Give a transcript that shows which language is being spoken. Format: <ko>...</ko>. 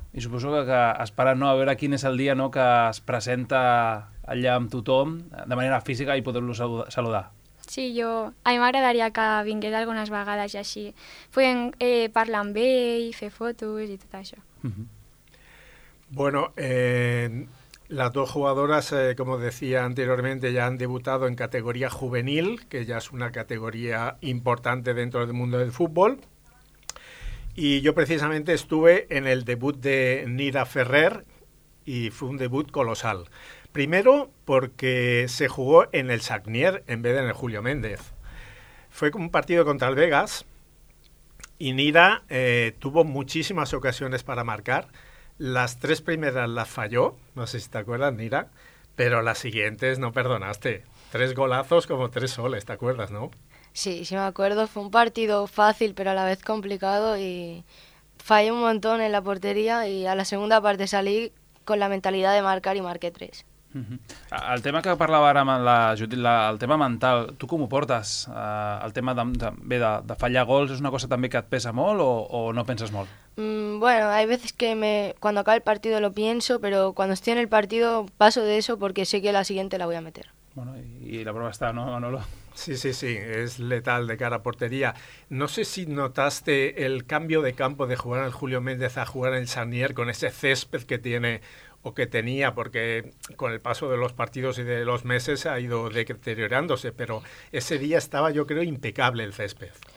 <ca>I suposo que esperant, no?, a veure quin és el dia, no?, que es presenta allà amb tothom, de manera física, i poder-lo saludar. Sí, jo, a mi m'agradaria que vingués algunes vegades i així podem parlar amb ell, fer fotos i tot això.</ca> <es>Bueno, las dos jugadoras, como decía anteriormente, ya han debutado en categoría juvenil, que ya es una categoría importante dentro del mundo del fútbol. Y yo precisamente estuve en el debut de Nida Ferrer y fue un debut colosal. Primero, porque se jugó en el Sagnier en vez de en el Julio Méndez. Fue un partido contra el Vegas y Nida tuvo muchísimas ocasiones para marcar. Las tres primeras las falló, no sé si te acuerdas, Nira, pero las siguientes no perdonaste. Tres golazos como tres soles, ¿te acuerdas, no? Sí, sí me acuerdo. Fue un partido fácil, pero a la vez complicado y fallé un montón en la portería y a la segunda parte salí con la mentalidad de marcar y marqué tres. Uh-huh.</es> <ca>El tema que parlava ara amb la Judit, el tema mental, tu com ho portes? El tema de fallar gols és una cosa també que et pesa molt o no penses molt?</ca> <es>Bueno, hay veces que cuando acaba el partido lo pienso, pero cuando estoy en el partido paso de eso porque sé que la siguiente la voy a meter. Bueno, y la prueba está, ¿no, Manolo? Sí, sí, sí, es letal de cara a portería. No sé si notaste el cambio de campo de jugar en el Julio Méndez a jugar en el Sarnier con ese césped que tiene o que tenía, porque con el paso de los partidos y de los meses ha ido deteriorándose, pero ese día estaba, yo creo, impecable el césped.</es>